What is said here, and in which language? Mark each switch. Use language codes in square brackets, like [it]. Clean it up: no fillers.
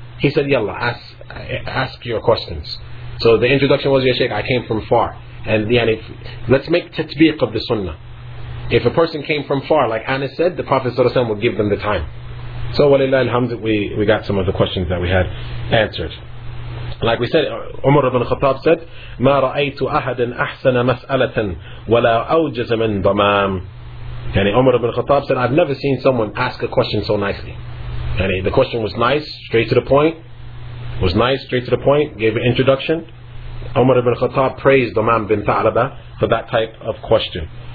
[en] He said, Yalla, ask your questions. So the introduction was, Ya Sheikh, I came from far. And if, let's make tatbiq of the sunnah. If a person came from far, like Anas said, the Prophet ﷺ would give them the time. So walillah alhamdulillah, we got some of the questions that we had answered. Like we said, Umar ibn Khattab said, [ar] مَا رَأَيْتُ أَحَدًا أَحْسَنَ مَسْأَلَةً وَلَا أَوْجَزَ مِنْ ضَمَامٍ. [en] And Umar ibn Khattab said, I've never seen someone ask a question so nicely. And the question was nice, straight to the point. Was nice, straight to the point, gave an introduction. Umar ibn Khattab praised Dhamam bin Tha'laba for that type of question.